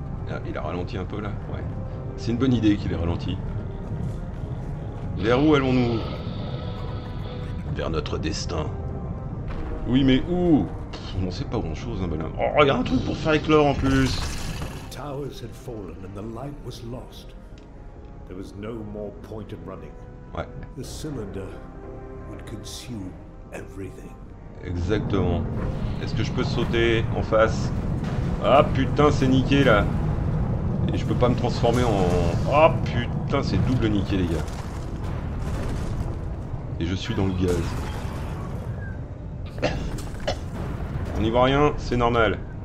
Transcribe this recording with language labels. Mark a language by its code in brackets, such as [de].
[fr] Ah, il a ralenti un peu là, ouais. C'est une bonne idée qu'il ait ralenti. Vers où allons-nous? Vers notre destin. Oui, mais où? Pff, on sait pas grand chose, hein, bonhomme. Oh, regarde un truc pour faire éclore en plus. [en] Towers had fallen and the light was lost. There was no more point in running. [fr] Ouais. [en] The cylinder would consume everything. [fr] Exactement. Est-ce que je peux sauter en face? Ah putain, c'est niqué là. Et je peux pas me transformer en... Ah putain, c'est double niqué les gars. Et je suis dans le gaz. On n'y voit rien, c'est normal.